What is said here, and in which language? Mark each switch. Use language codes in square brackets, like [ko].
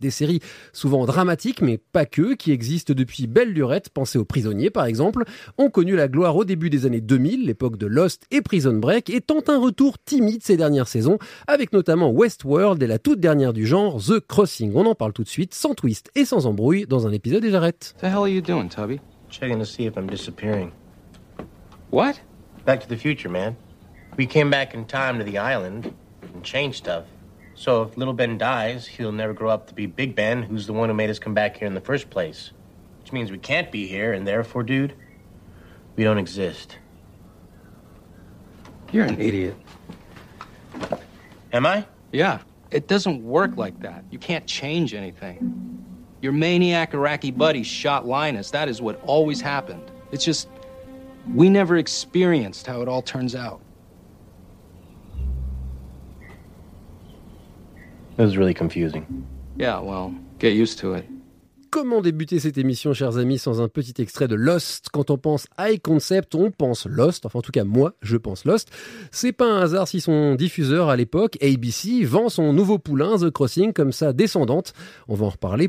[fr] Des séries souvent dramatiques, mais pas que, qui existent depuis belle lurette, pensez aux Prisonniers par exemple, ont connu la gloire au début des années 2000, l'époque de Lost et Prison Break, et tentent un retour timide ces dernières saisons, avec notamment Westworld et la toute dernière du genre, The Crossing. On en parle tout de suite, sans twist et sans embrouille dans un épisode et j'arrête. [en] The hell are you doing, Tubby? Checking to see if I'm disappearing. What? Back to the future, man. We came back in time to the island and changed stuff. So if little Ben dies, he'll never grow up to be Big Ben, who's the one who made us come back here in the first place. Which means we can't be here, and therefore, dude, we don't exist. You're an idiot. Am I? Yeah. It doesn't work like that. You can't change anything. Your maniac Iraqi buddy shot Linus. That is what always happened. It's just, we never experienced how it all turns out. It was really confusing. Yeah, well, get used to it. [fr] Comment débuter cette émission, chers amis, sans un petit extrait de Lost? Quand on pense high concept, on pense Lost. Enfin, en tout cas, moi, je pense Lost. C'est pas un hasard si son diffuseur à l'époque, ABC, vend son nouveau poulain, The Crossing, comme sa descendante. On va en reparler.